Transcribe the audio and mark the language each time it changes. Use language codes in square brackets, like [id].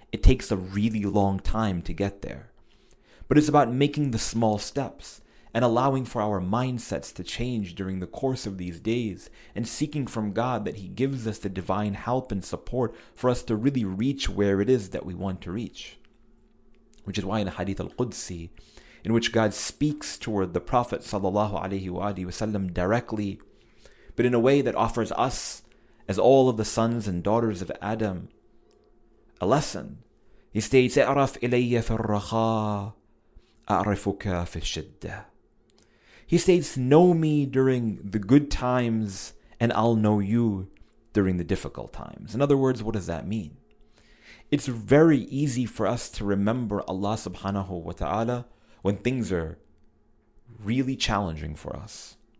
[en] It takes a really long time to get there. But it's about making the small steps and allowing for our mindsets to change during the course of these days and seeking from God that He gives us the divine help and support for us to really reach where it is that we want to reach. Which is why in the Hadith al-Qudsi, in which God speaks toward the Prophet sallallahu alayhi wa sallam directly, but in a way that offers us, as all of the sons and daughters of Adam, a lesson. He states, [ar] اعرف إلي في الرخاء أعرفك في الشدة. [en] He states, know me during the good times and I'll know you during the difficult times. In other words, what does that mean? It's very easy for us to remember Allah subhanahu wa ta'ala when things are really challenging for us.